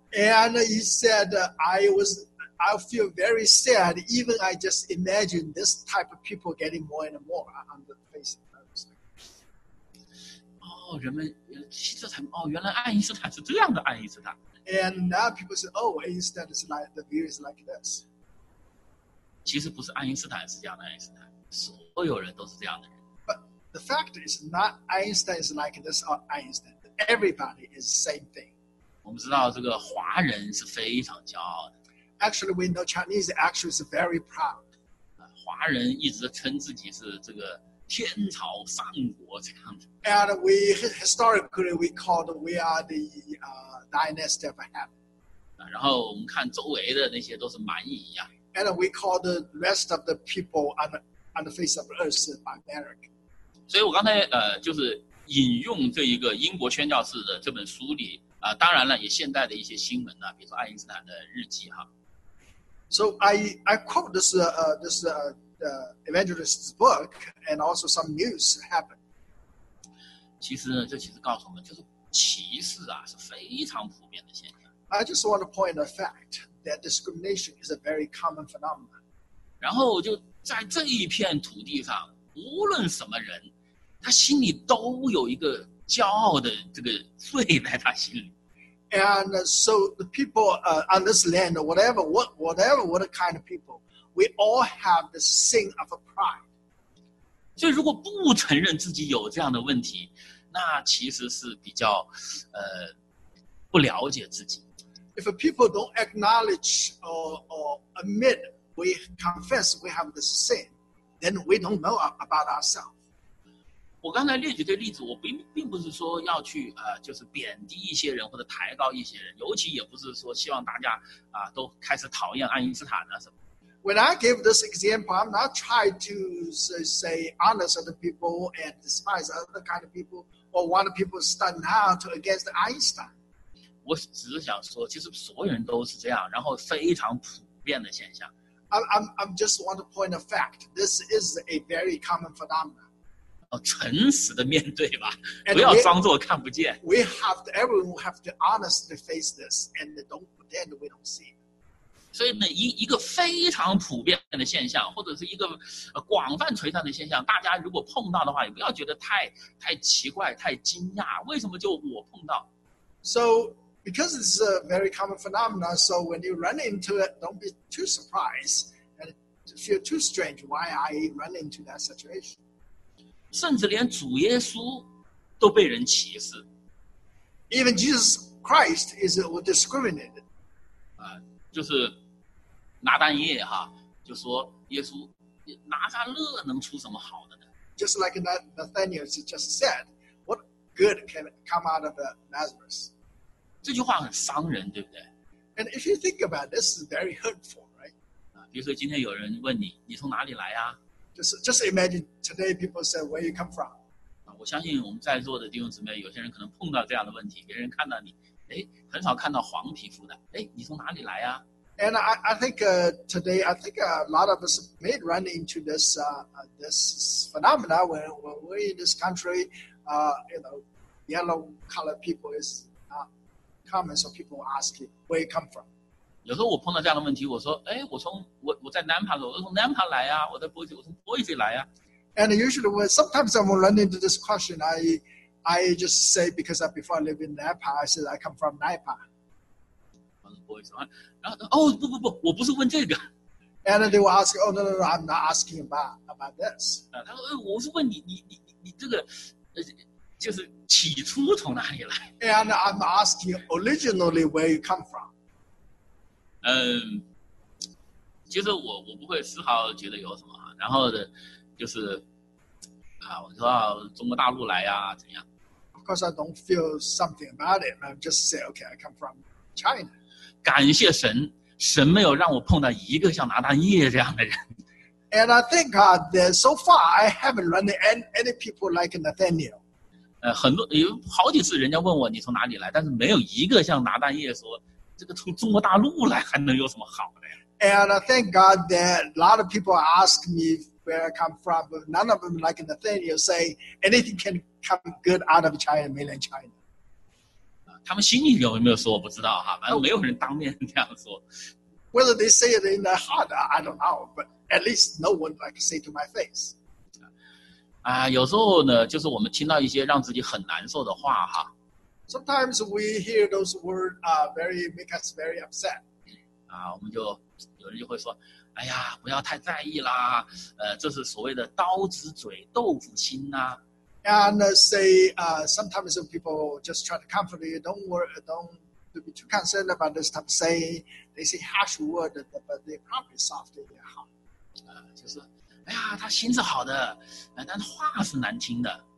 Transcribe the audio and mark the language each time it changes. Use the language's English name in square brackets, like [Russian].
[English] And he said, I feel very sad, even I just imagine this type of people getting more and more on the face of the earth. 哦， [Chinese] 哦，人们希特坦，哦，原来爱因斯坦是这样的爱因斯坦。 [English] And now people say, oh, Einstein is like the view is like this. [Chinese] 其实不是爱因斯坦是这样的爱因斯坦，所有人都是这样的人。 [English] But the fact is not Einstein is like this or Einstein. Everybody is the same thing. [Chinese] 我们知道这个华人是非常骄傲的。 [English] Actually, we know Chinese actually is very proud. [Chinese] 华人一直称自己是这个天朝上国这样子。 [English] And we historically we called we are the dynasty of heaven. [Chinese] 然后我们看周围的那些都是蛮夷呀。 [English] And we call the rest of the people on the face of earth barbaric. [Chinese] 所以我刚才就是引用这一个英国宣教士的这本书里当然了，也现代的一些新闻呢，比如说爱因斯坦的日记哈。 [English] So I quote this evangelist's book and also some news happened. [Chinese] 其实呢，这其实告诉我们，就是歧视啊是非常普遍的现象。 [English] I just want to point a fact that discrimination is a very common phenomenon. [Chinese] 然后就在这一片土地上，无论什么人，他心里都有一个骄傲的这个罪在他心里。 [English] And so the people on this land, whatever kind of people, we all have the sin of pride. [Chinese] 所以如果不承认自己有这样的问题，那其实是比较不了解自己。 [English] If people don't acknowledge or admit, we confess we have the sin, then we don't know about ourselves. [Chinese] 我刚才列举的例子，我并不是说要去就是贬低一些人或者抬高一些人，尤其也不是说希望大家都开始讨厌爱因斯坦啊什么。 [English] When I give this example, I'm not trying to say honest other people and despise other kind of people or want people stand out against Einstein. [Chinese] 我只是想说，其实所有人都是这样，然后非常普遍的现象。 [English] I'm just want to point a fact. This is a very common phenomenon. [Chinese] 哦，诚实的面对吧，不要装作看不见。 [English] We have to, everyone have to honestly face this, and don't pretend we don't see. [Chinese] 所以呢，一个非常普遍的现象，或者是一个广泛垂范的现象，大家如果碰到的话，也不要觉得太奇怪、太惊讶。为什么就我碰到 [English] ？So because it's a very common phenomenon, so when you run into it, don't be too surprised and feel too strange why I run into that situation. [Chinese] 甚至连主耶稣都被人歧视。 [English] Even Jesus Christ is discriminated. [Chinese] 就是拿单业哈，就说耶稣拿撒勒能出什么好的呢 [English] ？Just like Nathaniel just said, what good can come out of Nazareth? [Chinese] 这句话很伤人，对不对 [English] ？And if you think about it, this is very hurtful, right? [Chinese] 比如说今天有人问你，你从哪里来呀？ [English] Just imagine today people say where you come from. [Chinese] 我相信我们在座的弟兄姊妹，有些人可能碰到这样的问题，别人看到你，很少看到黄皮肤的，你从哪里来啊 [English] ？And I think today I think a lot of us may run into this this phenomena when we're in this country, yellow color people is common, so people ask you where you come from. [Chinese] 有时候我碰到这样的问题，我说：“我在 Nampa， 我从 Nampa 来呀、啊，我在 Boise， 我从 Boise 来呀、啊。” [English] And usually, when sometimes I'm running into this question, I just say because I before I live in Nampa, I said I come from Nampa. [Chinese] 我是 Boise， 然后不，我不是问这个。 [English] And they will ask, "Oh no, I'm not asking about this." [Chinese] 他说：“我是问你这个，就是起初从哪里来 [English] ？”And I'm asking originally where you come from. [Chinese] 其实我不会丝毫觉得有什么，然后的就是我知道中国大陆来呀、怎样。 [English] Of course, I don't feel something about it. I'm just say, okay, I come from China. [Chinese] 感谢神，神没有让我碰到一个像拿单业这样的人。 [English] And I thank God that so far I haven't run into any people like Nathaniel. [Chinese] 很多有好几次人家问我你从哪里来，但是没有一个像拿单业说。这个从中国大陆来还能有什么好的呀 [English] ？And I thank God that a lot of people ask me where I come from, but none of them like Nathaniel say anything can come good out of China, mainland China. [Chinese] 他们心里有没有说我不知道哈，反正没有人当面这样说。 [English] Whether they say it in their heart, I don't know, but at least no one like say to my face. [Chinese] 啊，有时候呢，就是我们听到一些让自己很难受的话哈。 [English] Sometimes we hear those words make us very upset. [Chinese] 啊，我们就有人就会说，哎呀，不要太在意啦，这是所谓的刀子嘴豆腐心呐。 [English] And say, sometimes people just try to comfort you. Don't worry, don't be too concerned about this type of saying. They say harsh word, but they probably soft in their heart. [Chinese] 就是，哎呀，他心是好的，但话是难听的。